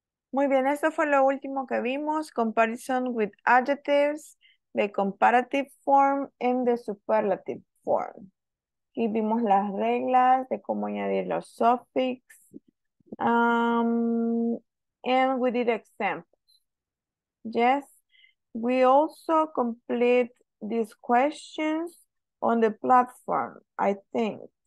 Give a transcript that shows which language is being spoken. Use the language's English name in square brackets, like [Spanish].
[Spanish] Muy bien, esto fue lo último que vimos. [English] Comparison with adjectives, the comparative form and the superlative form. [Spanish] Aquí vimos las reglas de cómo añadir los suffix. [English] And we did examples. Yes, we also complete these questions on the platform, I think.